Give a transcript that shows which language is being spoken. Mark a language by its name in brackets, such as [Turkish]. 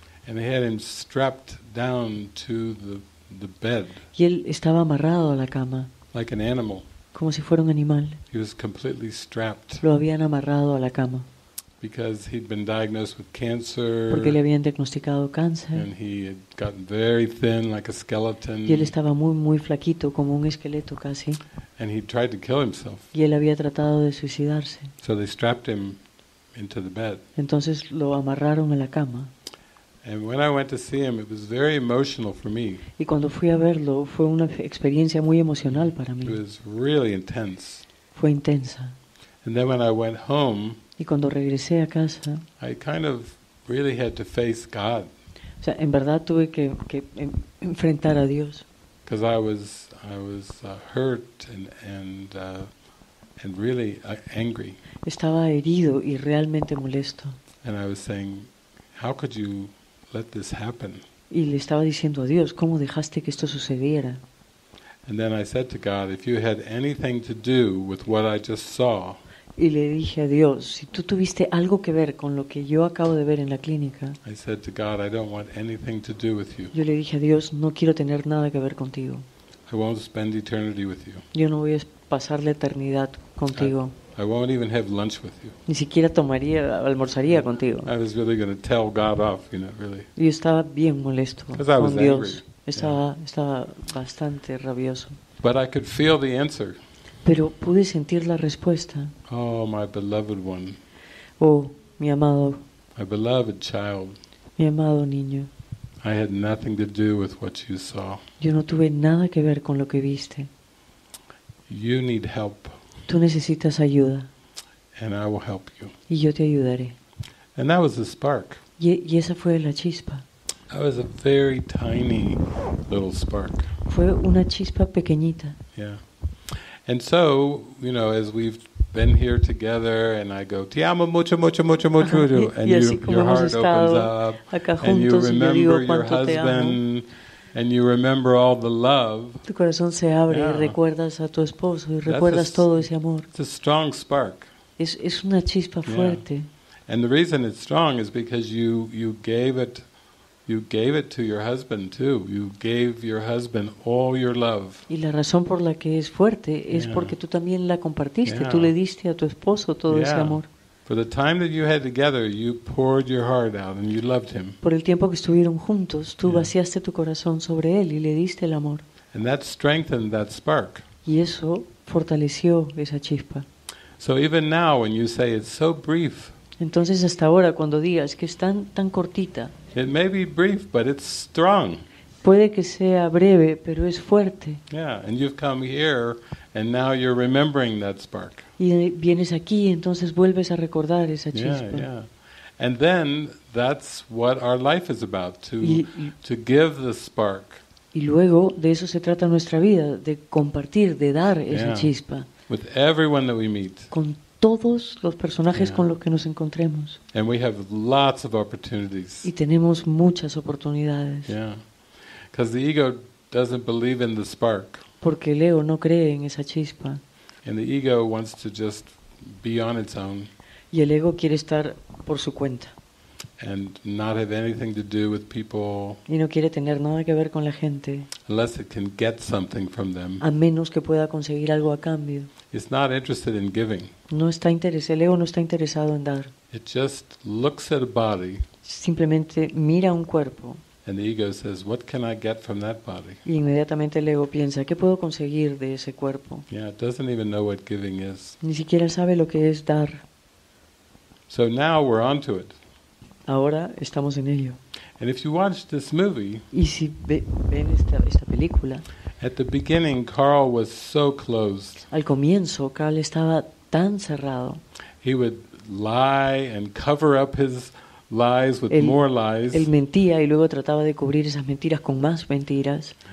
[English] And they had him strapped down to the bed. [Spanish] Y él estaba amarrado a la cama. [English] Like an animal. [Spanish] Como si fuera un animal. [English] He was completely strapped. [Spanish] Lo habían amarrado a la cama. [English] Because he'd been diagnosed with cancer. [Spanish] Porque le habían diagnosticado cáncer. [English] And he had gotten very thin, like a skeleton. [Spanish] Y él estaba muy muy flaquito, como un esqueleto casi. [English] And he tried to kill himself. [Spanish] Y él había tratado de suicidarse. [English] So they strapped him into the bed. [Spanish] Entonces lo amarraron a la cama. [English] And when I went to see him, it was very emotional for me. [Spanish] Y cuando fui a verlo, fue una experiencia muy emocional para mí. [English] It was really intense. [Spanish] Fue intensa. [English] And then when I went home, [Spanish] y cuando regresé a casa, [English] I kind of really had to face God. [Spanish] O sea, en verdad tuve que enfrentar a Dios. [English] Because I was hurt and really angry. [Spanish] Estaba herido y realmente molesto. [English] And I was saying, how could you let this happen? [Spanish] Y le estaba diciendo a Dios, ¿cómo dejaste que esto sucediera? [English] And then I said to God, if you had anything to do with what I just saw. [Spanish] Y le dije a Dios, si tú tuviste algo que ver con lo que yo acabo de ver en la clínica. [English] I said to God, I don't want anything to do with you. [Spanish] Yo le dije a Dios, no quiero tener nada que ver contigo. [English] I won't spend eternity with you. [Spanish] Yo no voy a pasar la eternidad contigo. [English] I won't even have lunch with you. [Spanish] Ni siquiera tomaría, almorzaría contigo. [English] I was really going to tell God off, you know, really. [Spanish] Y estaba bien molesto con Dios. Estaba bastante rabioso. [English] But I could feel the answer. [Spanish] Pero pude sentir la respuesta. [English] Oh, my beloved one. [Spanish] Oh, mi amado. [English] My beloved child. [Spanish] Mi amado niño. [English] I had nothing to do with what you saw. [Spanish] Yo no tuve nada que ver con lo que viste. [English] You need help. [Spanish] Tú necesitas ayuda. [English] And I will help you. [Spanish] Y yo te ayudaré. [English] And that was the spark. [Spanish] Y esa fue la chispa. [English] That was a very tiny little spark. [Spanish] Fue una chispa pequeñita. [English] Yeah. And so, you know, as we've been here together and I go, [Spanish] "Te amo mucho mucho mucho mucho." Y, [English] and [Spanish] y [English] you, your heart opens up. And you remember your husband. And you remember all the love. [Spanish] Tu corazón se abre, yeah. Y recuerdas a tu esposo y recuerdas todo ese amor. [English] It's a strong spark. [Spanish] Es una chispa fuerte. Yeah. [English] And the reason it's strong is because you gave it to your husband too. You gave your husband all your love. [Spanish] Y la razón por la que es fuerte es porque tú también la compartiste. Yeah. Tú le diste a tu esposo todo ese amor. [English] For the time that you had together, you poured your heart out and you loved him. [Spanish] Por el tiempo que estuvieron juntos, tú vaciaste tu corazón sobre él y le diste el amor. [English] And that strengthened that spark. [Spanish] Y eso fortaleció esa chispa. [English] So even now when you say it's so brief. [Spanish] Entonces hasta ahora cuando digas que es tan tan cortita. [English] It may be brief, but it's strong. [Spanish] Puede que sea breve, pero es fuerte. [English] Yeah, and you've come here and now you're remembering that spark. [Spanish] Y vienes aquí, entonces vuelves a recordar esa chispa. [English] Yeah, yeah. And then that's what our life is about, to give the spark. [Spanish] Y luego de eso se trata nuestra vida, de compartir, de dar esa chispa. [English] With everyone that we meet. [Spanish] Con todos los personajes con los que nos encontremos. [English] And we have lots of opportunities. [Spanish] Y tenemos muchas oportunidades. [English] Because the ego doesn't believe in the spark. [Spanish] Porque el ego no cree en esa chispa. [English] And the ego wants to just be on its own. [Spanish] Y el ego quiere estar por su cuenta. [English] And not have anything to do with people. [Spanish] Y no quiere tener nada que ver con la gente. [English] Unless it can get something from them. [Spanish] A menos que pueda conseguir algo a cambio. [English] It's not interested in giving. [Spanish] No está interesado. El ego no está interesado en dar. [English] It just looks at a body. [Spanish] Simplemente mira un cuerpo. [English] And the ego says, "What can I get from that body?" [Spanish] Y inmediatamente el ego piensa, ¿qué puedo conseguir de ese cuerpo? [English] Yeah, it doesn't even know what giving is. [Spanish] Ni siquiera sabe lo que es dar. [English] So now we're onto it. [Spanish] Ahora estamos en ello. [English] And if you watch this movie, [Spanish] y si ven esta película, [English] at the beginning, Carl was so closed. [Spanish] Al comienzo, Carl estaba tan cerrado. [English] He would lie and cover up his lies with more lies. [Spanish] Él mentía y luego trataba de cubrir esas mentiras con más mentiras.